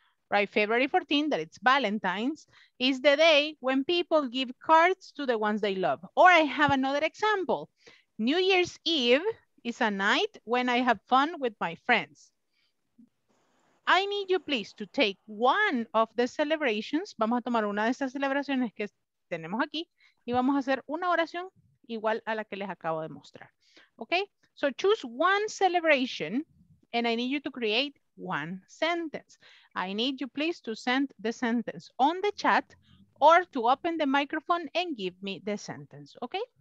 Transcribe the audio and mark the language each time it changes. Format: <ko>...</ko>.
<en>Right, February 14, that it's Valentine's, is the day when people give cards to the ones they love. Or I have another example. New Year's Eve is a night when I have fun with my friends. I need you please to take one of the celebrations.</en> <es>Vamos a tomar una de estas celebraciones que tenemos aquí y vamos a hacer una oración igual a la que les acabo de mostrar.</es> <en>Okay, so choose one celebration and I need you to create one sentence. I need you please to send the sentence on the chat or to open the microphone and give me the sentence, okay?</en>